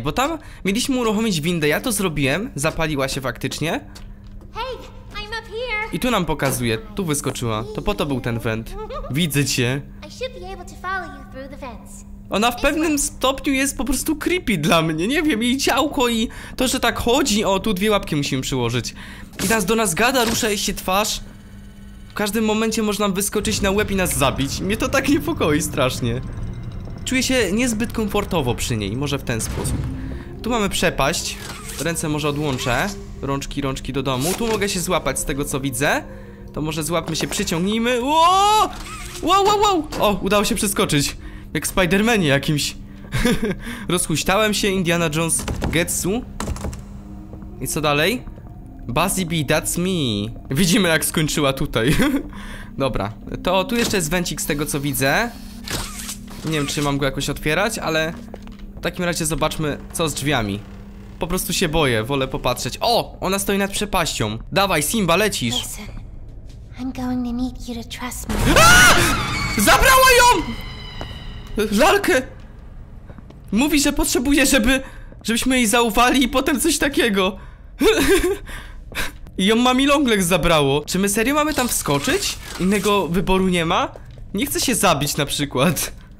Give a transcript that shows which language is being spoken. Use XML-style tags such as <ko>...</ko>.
<pl>Bo tam mieliśmy uruchomić windę, ja to zrobiłem, zapaliła się faktycznie.</pl> <en>Hej, I'm up here.</en> <pl>I tu nam pokazuje, tu wyskoczyła. To po to był ten vent. Widzę cię.</pl> <en>I should be able to follow you through the vents.</en> <pl>Ona w pewnym stopniu jest po prostu creepy dla mnie, nie wiem, jej ciałko i to, że tak chodzi, o, tu dwie łapki musimy przyłożyć. I nas do nas gada, rusza jej się twarz. W każdym momencie można wyskoczyć na łeb i nas zabić, mnie to tak niepokoi strasznie. Czuję się niezbyt komfortowo przy niej, może w ten sposób. Tu mamy przepaść, ręce może odłączę, rączki do domu, tu mogę się złapać z tego co widzę. To może złapmy się, przyciągnijmy, wow. O, udało się przeskoczyć. Jak w Spider-Manie jakimś. Rozhuśtałem się, Indiana Jones Getsu. I co dalej? Bazibi,</pl> <en>that's me.</en> <pl>Widzimy jak skończyła tutaj. Dobra, to tu jeszcze jest węcik z tego co widzę. Nie wiem czy mam go jakoś otwierać, ale w takim razie zobaczmy co z drzwiami. Po prostu się boję, wolę popatrzeć. O, ona stoi nad przepaścią. Dawaj Simba, lecisz.</pl> <en>Listen, I'm going to need you to trust me.</en> <pl>Zabrała ją! Lalkę! Mówi, że potrzebuje, żebyśmy jej zaufali i potem coś takiego. I ją Mami Longlegs zabrało. Czy my serio mamy tam wskoczyć? Innego wyboru nie ma? Nie chcę się zabić na przykład.</pl>